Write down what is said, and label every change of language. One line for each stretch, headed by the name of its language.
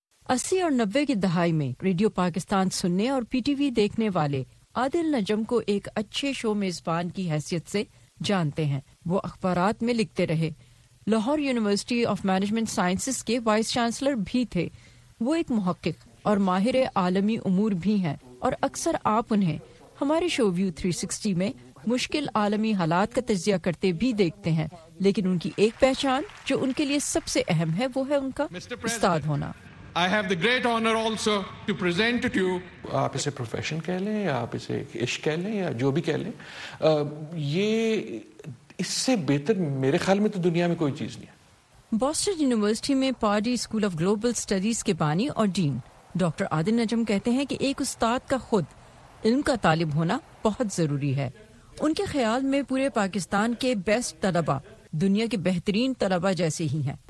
Urdu: 80 اور 90 کی دہائی میں ریڈیو پاکستان سننے اور پی ٹی وی دیکھنے والے عادل نجم کو ایک اچھے شو میزبان کی حیثیت سے جانتے ہیں۔ وہ اخبارات میں لکھتے رہے، Lahore university of management sciences کے وائس چانسلر بھی تھے۔ وہ ایک محقق اور ماہر عالمی امور بھی ہیں اور اکثر آپ انہیں ہمارے شو ویو 360 میں مشکل عالمی حالات کا تجزیہ کرتے بھی دیکھتے ہیں، لیکن ان کی ایک پہچان جو ان کے لیے سب سے اہم ہے وہ ہے ان کا استاد ہونا۔
English: I have the great honor also to present to you,
Urdu: آپ اسے پروفیشن کہہ لیں یا آپ اسے عشق کہہ لیں یا جو بھی کہہ لیں، یہ اس سے بہتر میرے خیال میں تو دنیا میں کوئی چیز نہیں ہے۔ بوسٹن یونیورسٹی میں پارڈی اسکول آف گلوبل اسٹڈیز کے بانی اور ڈین ڈاکٹر عادل نجم کہتے ہیں کہ ایک استاد کا خود علم کا طالب ہونا بہت ضروری ہے۔ ان کے خیال میں پورے پاکستان کے بیسٹ طلبا دنیا کے بہترین طلبا جیسے ہی ہیں۔